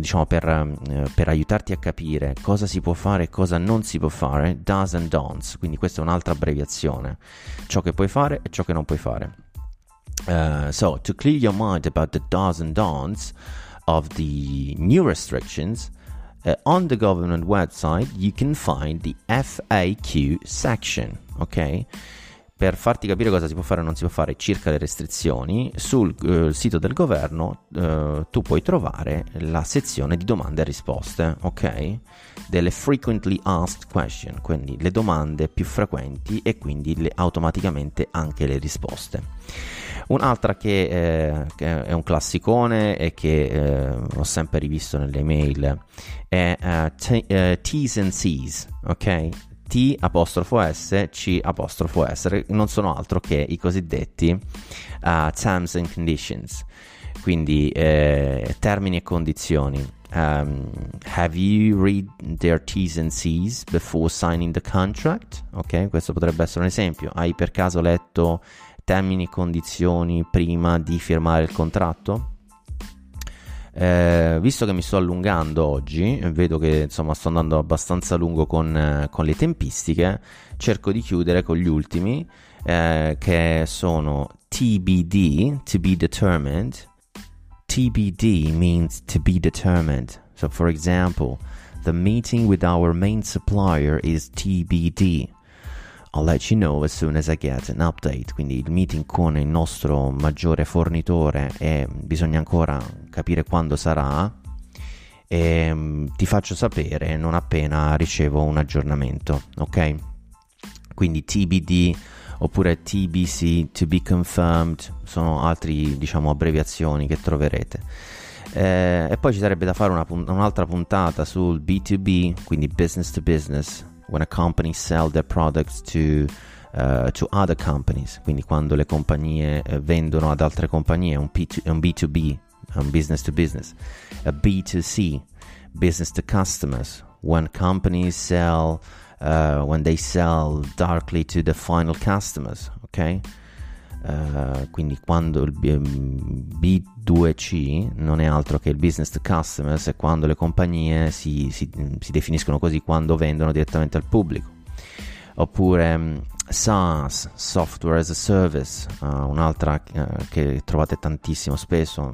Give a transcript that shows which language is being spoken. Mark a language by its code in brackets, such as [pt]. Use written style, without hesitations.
[it] Per aiutarti a capire cosa si può fare e cosa non si può fare, do's and don'ts. Quindi questa è un'altra abbreviazione: ciò che puoi fare e ciò che non puoi fare. [en] So to clear your mind about the do's and don'ts of the new restrictions, on the government website you can find the FAQ section, ok? [it] Per farti capire cosa si può fare o non si può fare circa le restrizioni, sul sito del governo tu puoi trovare la sezione di domande e risposte, ok? Delle frequently asked questions, quindi le domande più frequenti e quindi automaticamente anche le risposte. Un'altra che è un classicone e che ho sempre rivisto nelle email è T's and C's, ok? T apostrofo S, C apostrofo S, non sono altro che i cosiddetti terms and conditions, quindi termini e condizioni. [en] Have you read their T's and C's before signing the contract? [it] Ok, questo potrebbe essere un esempio. Hai per caso letto termini e condizioni prima di firmare il contratto? Visto che mi sto allungando oggi, vedo che insomma sto andando abbastanza lungo con le tempistiche, cerco di chiudere con gli ultimi, che sono TBD, to be determined. [en] TBD means to be determined. So for example, the meeting with our main supplier is TBD. I'll let you know as soon as I get an update. [it] Quindi il meeting con il nostro maggiore fornitore e bisogna ancora capire quando sarà, e ti faccio sapere non appena ricevo un aggiornamento, ok? Quindi TBD oppure TBC, to be confirmed, sono altri, diciamo, abbreviazioni che troverete. E poi ci sarebbe da fare un'altra puntata sul B2B, quindi business to business. When a company sells their products to other companies, quindi quando le compagnie vendono ad altre compagnie, un B2B, un business to business. [en] A B2C, business to customers. When companies sell, when they sell directly to the final customers, ok? [it] Quindi quando il B2C non è altro che il business to customers, e quando le compagnie si definiscono così, quando vendono direttamente al pubblico. Oppure SaaS, software as a service, un'altra che trovate tantissimo spesso.